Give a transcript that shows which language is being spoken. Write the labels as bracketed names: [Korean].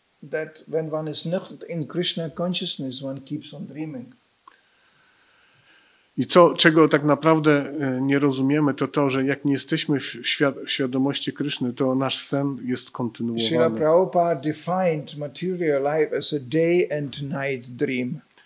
[English] That when one is not in Krishna consciousness, one keeps on dreaming. [Polish] I czego tak naprawdę nie rozumiemy, to, że jak nie jesteśmy w świadomości Kryszny, to nasz sen jest kontynuowany. [English] Srila Prabhupada defined material life as a day and night dream.